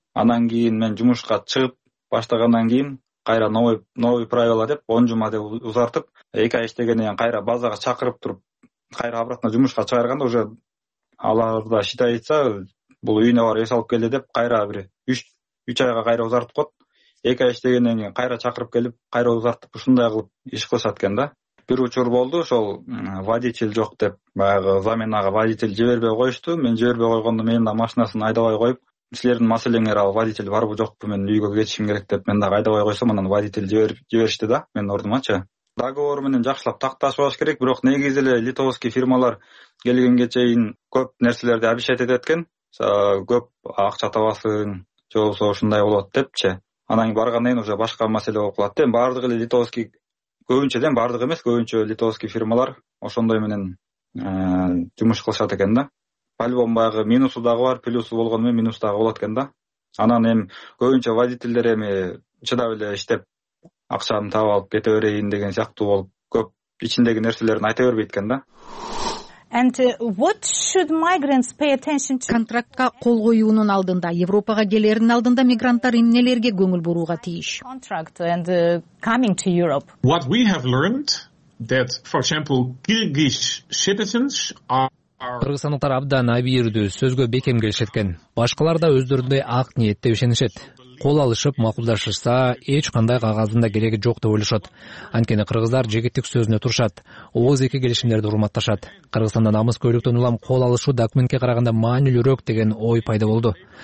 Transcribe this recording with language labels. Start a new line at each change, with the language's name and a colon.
Kyrgyz: Анан кийин мен жумушка чыгып баштагандан кийин кайра
Russian: новый правила
Kyrgyz: деп 10 жума деп узартып, 2 ай иштегенден кийин кайра базага чакырып туруп, кайра
Russian: обратно
Kyrgyz: жумушка чыгарганда
Russian: уже
Kyrgyz: аларда
Russian: считается,
Kyrgyz: бул үйүнө барып эс алып келди деп кайра бир 3 айга кайра узартып коет. 2 ай иштегенден кийин кайра чакырып келип, кайра узартып ушундай кылып иш кылышат экен да. Бир учур болду, ошол водитель жок деп баягы заменага водитель жибербей коюшту. Мен жибербей койгондо менин да машинасын айдабай коюп, силердин маселеңер ал водитель барбы жокпу, мен үйгө кетишим керек деп мен дагы айдабай койсом, анан водитель жиберишти да менин ордумачы. Договор менен жакшылап такташпаш керек, бирок негизи эле литовский фирмалар келгенге чейин көп нерселерди
Russian: обещать
Kyrgyz: этет экен, көп акча табасың же болбосо ушундай болот депчи. Анан кийин баргандан кийин
Russian: уже
Kyrgyz: башка маселе болуп калат да. Баардыгы эле литовский, көбүнчөден баардык эмес, көбүнчө литовский фирмалар ошондой менен жумуш кылышат экен да.
Russian: По-любому
Kyrgyz: баягы минусу дагы бар, плюсу болгону менен минус дагы болот экен да. Анан эми көбүнчө водительдер эми чыдап эле иштеп акчаны таап алып кете берейин деген сыяктуу болуп, көп ичиндеги нерселерин айта бербейт экен да.
English: And what should migrants pay attention to?
Kyrgyz: Контрактка кол коюунун алдында, Европага келердин алдында мигранттар эмнелерге көңүл бурууга тийиш?
English: Contract and coming to Europe. What we have learned that, for example, Kyrgyz citizens are...
Kyrgyz: Кыргызстандыктар абдан абийирдүү, сөзгө бекем келишет экен. Башкалар да өздөрүндөй ак ниетте ишенишет. Кол алышып макулдашышса, эч кандай кагазында кереги жок деп ойлошот. Анткени кыргыздар жегиттик сөзүнө турушат, ооз эки келишимдерди урматташат. Кыргызстанда намыс көйлөктөн улам кол алышуу документке караганда маанилүүрөөк деген ой пайда болду.